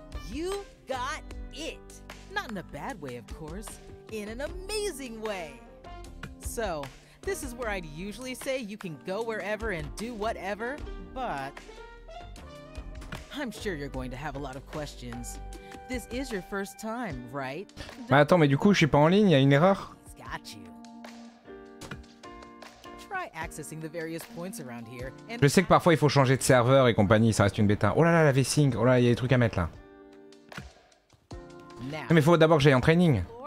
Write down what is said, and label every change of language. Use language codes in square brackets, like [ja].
[en] You got it. Not in a bad way, of course. In an amazing way. So, this is where I'd usually say you can go wherever and do whatever, but... I'm sure you're going to have a lot of questions. This is your first time, right? [fr] Mais attends, mais du coup, je suis pas en ligne, il y a une erreur. [en] Got you. Try accessing the various points around here. [fr] Je sais que parfois il faut changer de serveur et compagnie, ça reste une bêta. Oh là là, la V-Sync, oh là, il y a des trucs à mettre là. Now, mais il faut d'abord que j'aille en training.